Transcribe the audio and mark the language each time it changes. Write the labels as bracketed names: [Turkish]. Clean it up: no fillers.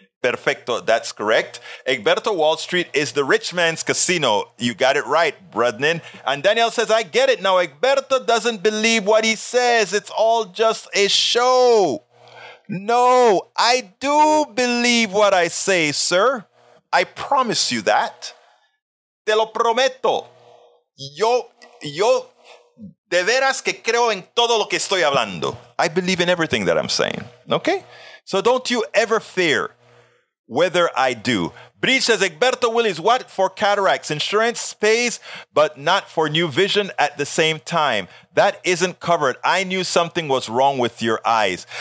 [English] Perfecto, that's correct. Egberto, Wall Street is the rich man's casino. You got it right, Brudnin. And Danielle says, I get it. Now, Egberto doesn't believe what he says. It's all just a show. No, I do believe what I say, sir. I promise you that. [Spanish] Te lo prometo. Yo, de veras que creo en todo lo que estoy hablando. [English] I believe in everything that I'm saying. Okay? So don't you ever fear whether I do. Breach says, Egberto Willis, what for cataracts? Insurance pays, but not for new vision at the same time. That isn't covered. I knew something was wrong with your eyes.